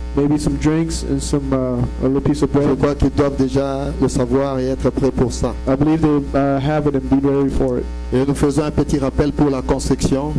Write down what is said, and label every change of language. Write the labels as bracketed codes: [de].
[en] Maybe some drinks and some a little piece of bread. [fr] Je crois qu'ils doivent déjà le savoir et être prêts pour ça. [en] I believe they have it and be ready for it. [fr] Et nous faisons un petit rappel pour la construction.